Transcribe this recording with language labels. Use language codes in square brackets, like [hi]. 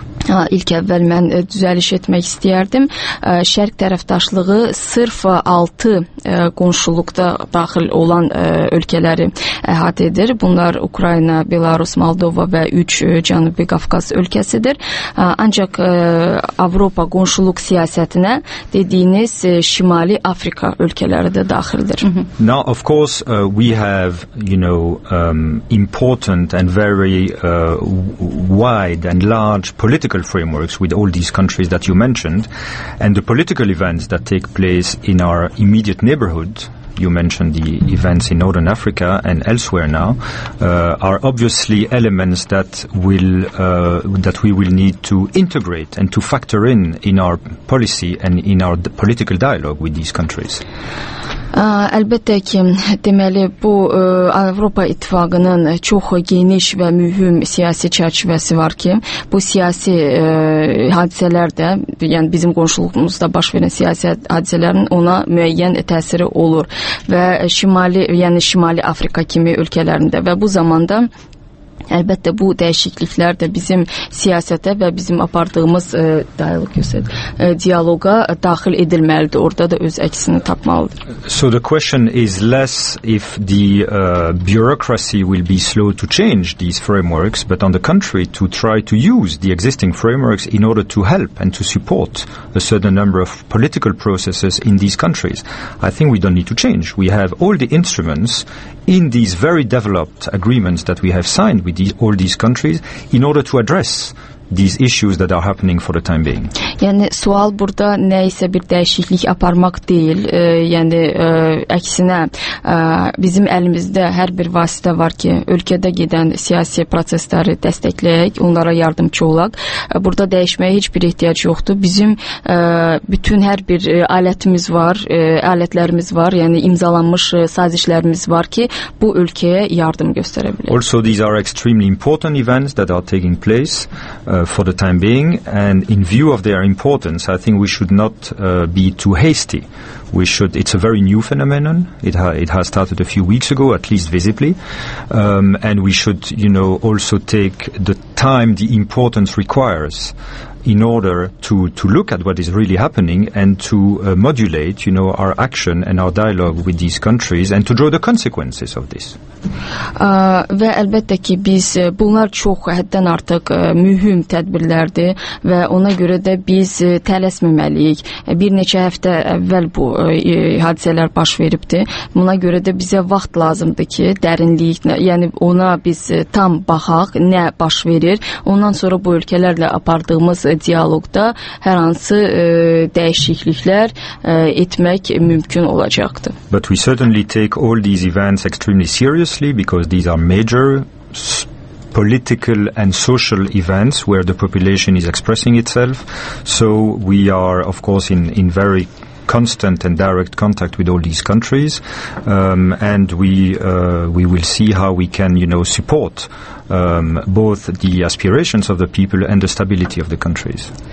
[az] İlk əvvəl mən düzəliş etmək istəyərdim. Şərq tərəfdaşlığı sırf 6 qonşuluqda daxil olan ölkələri əhatə edir. Bunlar Ukrayna, Belarus, Moldova və 3 Cənubi Qafqaz ölkəsidir. Ancaq Avropa qonşuluq siyasətinə dediyiniz Şimali Afrika ölkələri də daxildir. [en] Now, of course, we have, you know, important and very wide and large political frameworks with all these countries that you mentioned, and the political events that take place in our immediate neighborhood, you mentioned the events in Northern Africa and elsewhere now, are obviously elements that will that we will need to integrate and to factor in our policy and in our political dialogue with these countries. [az] Əlbəttə ki, deməli, bu Avropa İttifaqının çox geniş və mühüm siyasi çərçivəsi var ki, bu siyasi hadisələr də, yəni bizim qonşuluğumuzda baş verən siyasi hadisələrin ona müəyyən təsiri olur və Şimali, yəni Şimali Afrika kimi ölkələrində və bu zamanda əlbəttə bu dəyişikliklər də bizim siyasətə və bizim apardığımız dialoga daxil edilməlidir. Orada da öz əksini tapmalıdır. [en] So the question is less if the bureaucracy will be slow to change these frameworks, but on the contrary to try to use the existing frameworks in order to help and to support a certain number of political processes in these countries. I think we don't need to change. We have all the instruments in these very developed agreements that we have signed with all these countries in order to address these issues that are happening for the time being. [az] Yəni sual burada nə isə bir dəyişiklik aparmaq deyil, yəni əksinə bizim əlimizdə hər bir vasitə var ki, ölkədə gedən siyasi prosesləri dəstəkləyək, onlara yardımçı olaq. Burada dəyişməyə heç bir ehtiyac yoxdur. Bizim bütün hər bir alətimiz var, alətlərimiz var, yəni imzalanmış sazişlərimiz var ki, bu ölkəyə yardım göstərə bilək. [en] Also these are extremely important events that are taking place for the time being, and in view of their importance, I think we should not be too hasty. We should. It's a very new phenomenon. It has started a few weeks ago, at least visibly, and we should, you know, also take the time the importance requires in order to look at what is really happening and to modulate, you know, our action and our dialogue with these countries and to draw the consequences of this. [az] Və əlbəttə ki, biz bunlar çox həddən artıq mühüm tədbirlərdir və ona görə də biz tələsməməliyik. Bir neçə həftə əvvəl bu hadisələr baş veribdir. Buna görə də bizə vaxt lazımdır ki, dərinlik, yəni ona biz tam baxaq, nə baş verir. Ondan sonra bu ölkələrlə apardığımız dialoqda hər hansı dəyişikliklər etmək mümkün olacaqdır. [en] But we certainly take all these events extremely seriously because these are major political and social events where the population is expressing itself. So we are, of course, in very constant and direct contact with all these countries, and we will see how we can, you know, support both the aspirations of the people and the stability of the countries.